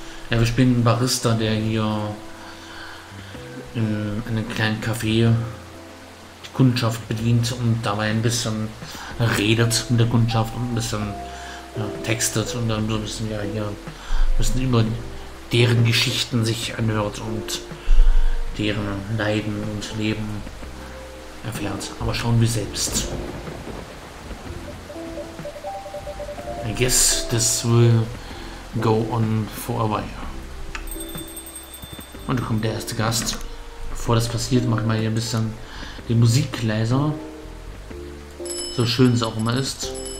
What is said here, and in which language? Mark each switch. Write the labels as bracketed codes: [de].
[de] Ja, wir spielen einen Barista, der hier in einem kleinen Café die Kundschaft bedient und dabei ein bisschen redet mit der Kundschaft und ein bisschen textet und dann so ein bisschen ja hier ein bisschen über deren Geschichten sich anhört und deren Leiden und Leben erfährt. Aber schauen wir selbst. [en] I guess this will go on for a while. [de] Und da kommt der erste Gast. Bevor das passiert, mache ich mal hier ein bisschen die Musik leiser. So schön es auch immer ist.